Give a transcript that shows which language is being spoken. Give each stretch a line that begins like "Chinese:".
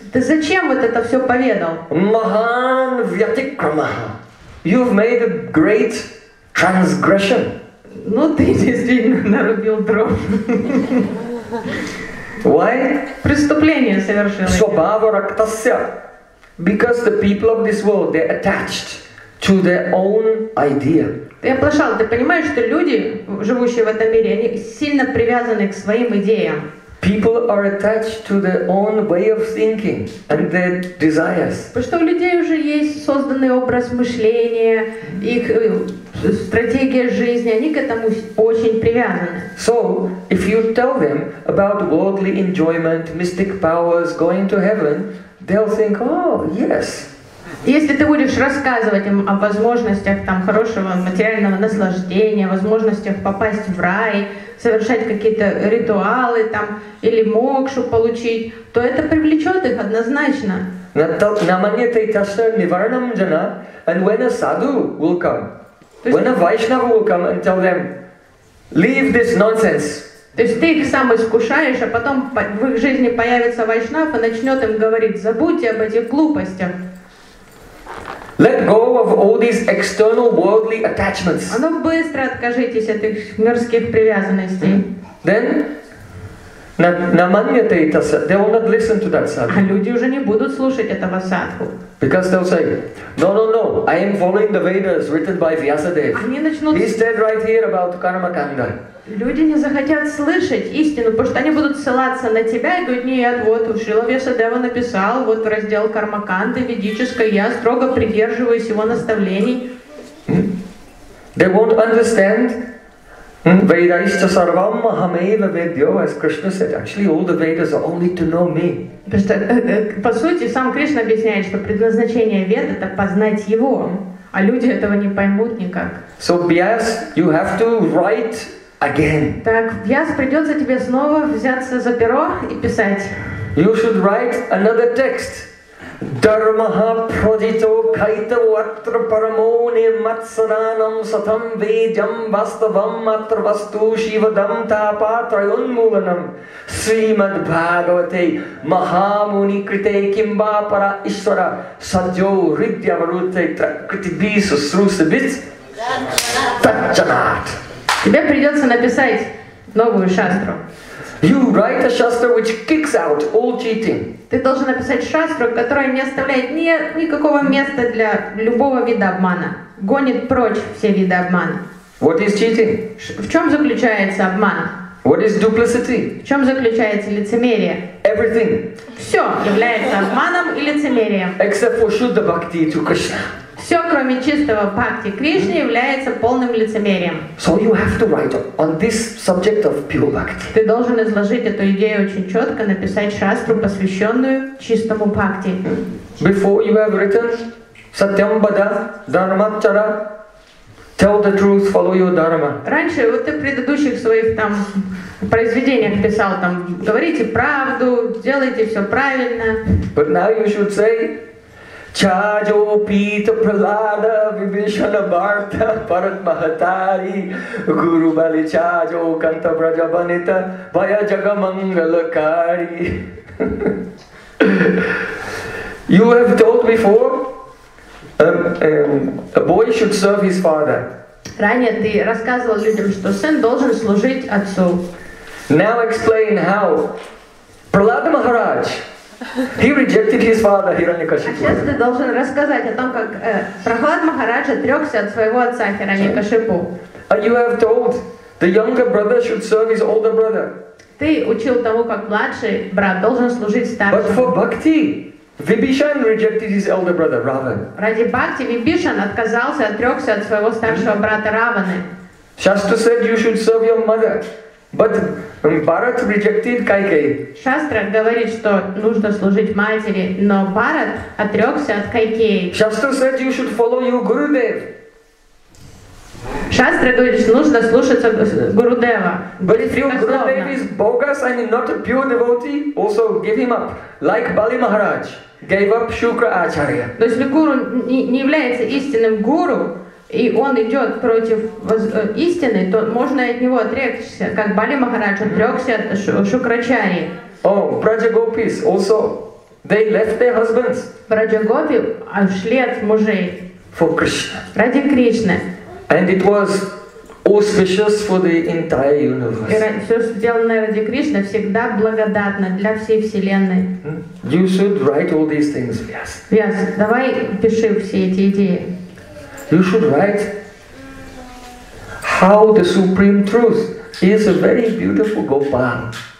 Russian: Ты зачем вот это все поведал?
Sanskrit: Mahan vyatikramaha.
English: You've made a great transgression.
Russian: Ну ты действительно нарубил дров.
English: Why?
Russian: Преступление совершил.
Sanskrit: Свабава рактасья.
English: Because the people of this world, they're attached to their own idea.
Russian: Ты оплошал, ты понимаешь, что люди, живущие в этом мире, они сильно привязаны к своим идеям.
English: People are attached to their own way of thinking and their desires.
Russian: Потому что у людей уже есть созданный образ мышления, их стратегия жизни, они к этому очень привязаны.
English: So, if you tell them about worldly enjoyment, mystic powers, going to heaven, they'll think, oh, yes,
Russian: Если ты будешь рассказывать им о возможностях там хорошего материального наслаждения, возможностях попасть в рай, совершать какие-то ритуалы там или мокшу получить, то это привлечет их однозначно. То есть ты их сам искушаешь, а потом в их жизни появится вайшнав и начнет им говорить: забудьте об этих глупостях.
English: Let go of all these external worldly attachments.
Russian: А ну быстро откажитесь от этих мирских привязанностей.
English: Then,
Russian: на манете это садху,
English: they will not listen to that садху.
Russian: А люди уже не будут слушать этого садху.
English: Because they'll say, no, I am following the Vedas written by Vyasadeva.
Russian: Они начнут...
English: He said right here about karma kanda.
Russian: Люди не захотят слышать истину, потому что они будут ссылаться на тебя и говорить: нет, вот у Шрила Вьясадева написал, вот в раздел кармаканды ведической, я строго придерживаюсь его наставлений.
English: They won't understand.
Sanskrit: Vedaista sarvam mahameva vedyo,
English: as Krishna said, actually all the Vedas are only to know me.
Russian: По сути, сам Кришна объясняет, что предназначение Вед — это познать его, а люди этого не поймут никак.
English: So, Vyas, you have to write again.
Russian: Так, Вьяс, придется тебе снова взяться за перо и писать.
English: You should write another text.
Sanskrit: Dharmaha prajito kaita vatra paramoni matsaranam satam vejam vastavam matravastu shivadam tapatrayun mulanam srimad bhagavate mahamuni krite kimba para ishvara sadyo ridya varute trakriti bisu srusibit tachanat.
Russian: Тебе придется написать новую шастру.
English: You write a shastra which kicks out all cheating.
Russian: Ты должен написать шастру, которая не оставляет никакого места для любого вида обмана. Гонит прочь все виды обмана.
English: What is cheating?
Russian: В чем заключается обман?
English: What is duplicity?
Russian: В чем заключается лицемерие?
English: Everything.
Russian: Все является обманом и лицемерием.
English: Except for shuddha bhakti to Krishna.
Russian: Все, кроме чистого бхакти Кришны, является полным лицемерием.
English: So you have to write on this subject of pure bhakti.
Russian: Ты должен изложить эту идею очень четко, написать шастру, посвященную чистому бхакти.
English: Before you have written
Sanskrit: satyam bada dharmachara,
English: tell the truth, follow your dharma.
Russian: Раньше вот ты в предыдущих своих там произведениях писал там: говорите правду, делайте все правильно.
English: But now you should say
Sanskrit: Чаджо пита пралада вибишана барта парат махатари гуру бали чаджо канта бража банита бая джага мангалакари.
English: You have told before a boy should serve his father.
Russian: Ранее ты рассказывал людям, что сын должен служить отцу.
English: Now explain how Пралада Махарадж, he rejected his father, Хираньякашипу.
Russian: Сейчас ты должен рассказать о том, как Прохлад Махарадж отрекся от своего отца Хираньякашипу.
English: You have told the younger brother should serve his older brother.
Russian: Ты учил того, как младший брат должен служить старшему.
English: But for bhakti, Vibhishan rejected his elder brother Ravan.
Russian: Ради бхакти Вибишан отказался, отрекся от своего старшего брата Раваны.
English: Shastra said you should serve your mother. But Bharat rejected Kaikeyi.
Russian: Шастра говорит, что нужно служить матери, но Bharat отрекся от Кайкеи.
English: Shastra said you should follow your Gurudev.
Russian: Шастра говорит, что нужно слушаться Гурудева.
English: But if your Gurudev is bogus and not a pure devotee, also give him up. Like Bali Maharaj gave up Shukra Acharya.
Russian: То есть гуру не является истинным гуру, и он идет против истины, то можно от него отрекся, как Бали Махарадж отрекся от Шукрачари.
English: Oh, Браджагопис also, they left their husbands.
Russian: Браджагопи ушли от мужей.
English: For Krishna.
Russian: Ради Кришны.
English: And it was auspicious for the entire universe.
Russian: Все сделанное ради Кришны всегда благодатно для всей вселенной.
English: You should write all these things, Vyas.
Russian: Vyas, давай пиши все эти идеи.
English: You should write how the supreme truth is a very beautiful Gopal.